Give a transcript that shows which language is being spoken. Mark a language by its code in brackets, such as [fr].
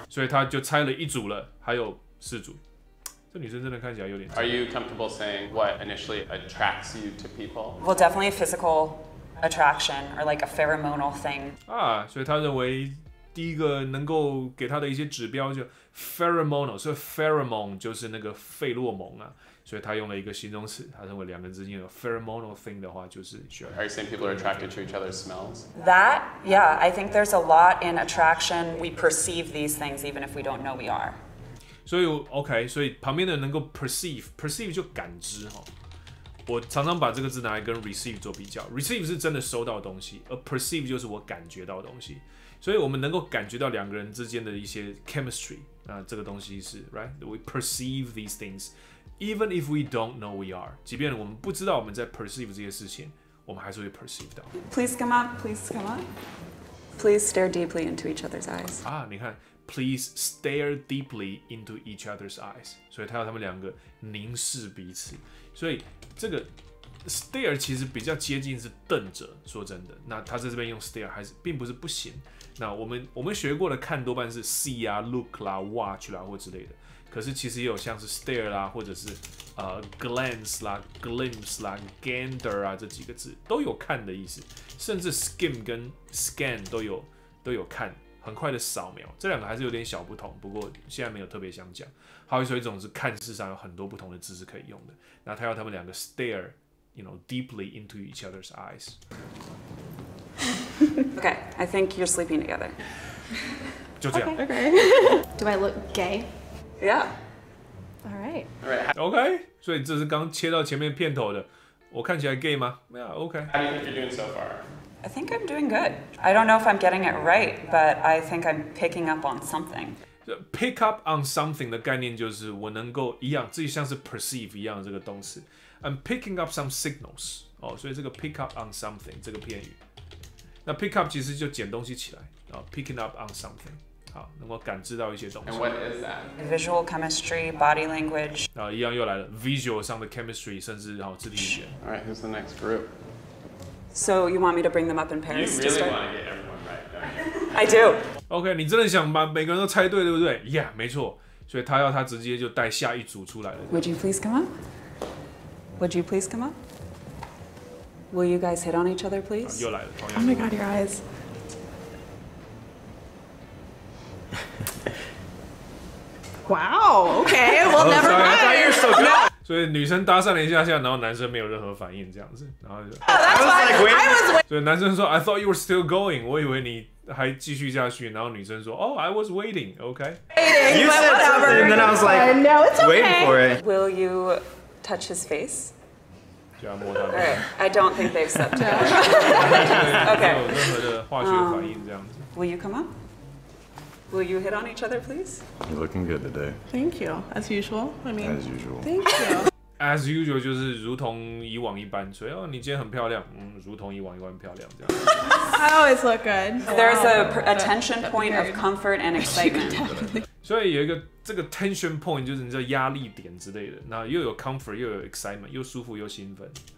[zh] 所以他就猜了一组了，还有四组。这女生真的看起来有点。 [en] Are you comfortable saying what initially attracts you to people? Well, definitely physical attraction or like a pheromonal thing. [zh] 啊，所以他认为第一个能够给他的一些指标就 pheromonal， 所以 pheromone 就是那个费洛蒙啊，所以他用了一个形容词，他认为两个人之间有 pheromonal thing 的话就是需要。 [en] Are you saying people are attracted to each other's smells? That, yeah, I think there's a lot in attraction. We perceive these things even if we don't know we are. [zh] 所以 OK， 所以旁边的人能够 perceive 就感知哈。我常常把这个字拿来跟 receive 做比较 ，receive 是真的收到的东西，而 perceive 就是我感觉到的东西。所以我们能够感觉到两个人之间的一些 chemistry， 那这个东西是 right， [en] we perceive these things， even if we don't know we are， [zh] 即便我们不知道我们在 perceive 这些事情，我们还是会 perceive 到。 [en] Please come up， please come up， please stare deeply into each other's eyes。 [zh] 啊，你看。 [en] Please stare deeply into each other's eyes. [zh] 所以他要他们两个凝视彼此。所以这个 stare 其实比较接近是瞪着。说真的，那他在这边用 stare 还是并不是不行。那我们学过的看多半是 see 啊、look 啦、watch 啦或之类的。可是其实也有像是 stare 啦，或者是glance 啦、glimpse 啦、gander 啊这几个字都有看的意思，甚至 skim 跟 scan 都有看。很快的扫描，这两个还是有点小不同，不过现在没有特别想讲。好，所以总之看事上有很多不同的知识可以用的。那他要他们两个 stare， [en] you know， deeply into each other's eyes。 Okay， I think you're sleeping together。 [zh] 就这样。 [en] Okay, okay. Do I look gay? Yeah. All right. [zh] Okay， 所以这是刚切到前面片头的，我看起来 gay 吗？没有。Okay。 [en] How do you think you're doing so far? I think I'm doing good. I don't know if I'm getting it right, but I think I'm picking up on something. [zh] Pick up on something 的概念就是我能够一样，自己像是 perceive 一样的这个动词。 [en] I'm picking up some signals. [zh] 哦，所以这个 pick up on something 这个片语，那 pick up 其实就捡东西起来啊、哦、，picking up on something。好，能够感知到一些东西。 [en] And what is that? Visual chemistry, body language. [zh] 啊、哦，一样又来了 ，visual 上的 chemistry， 甚至好、哦、肢体语言。 [en] All right, who's the next group? So you want me to bring them up in Paris? You really want to get everyone right, don't you? I do. [zh] Okay, 你真的想把每个人都猜对，对不对 ？Yeah, 没错。所以他要他直接就带下一组出来了。 [en] Would you please come up? Would you please come up? Will you guys hit on each other, please?、 [zh] 啊、又来了。 [en] Oh my God, your eyes. Wow. Okay. Well, never mind. I thought you were so good. [zh] 所以女生搭讪了一下下，然后男生没有任何反应，这样子，然后就。 [en] Oh, that's why I was waiting. [zh] 所以男生说 [en] ，I thought you were still going. [zh] 我以为你还继续下去。然后女生说 ， [en] Oh, I was waiting. Okay. You said whatever, and then I was like, No, it's okay. Waiting for it. Will you touch his face? [zh] 就要摸他。 [en] Right. I don't think they've slept together. Okay. [zh] 没有任何的化学反应，这样子。 [en] Will you come up? Will you hit on each other, please? You're looking good today. Thank you. As usual. I mean, as usual. Thank you. [zh] as usual 就是如同以往一般，所以哦，你今天很漂亮，嗯，如同以往一般漂亮这样。 [en] I always look good. There's a tension point of comfort and excitement. [zh] 所以有一个这个 tension point 就是你知道压力点之类的，那又有 comfort 又有 excitement 又舒服又兴奋。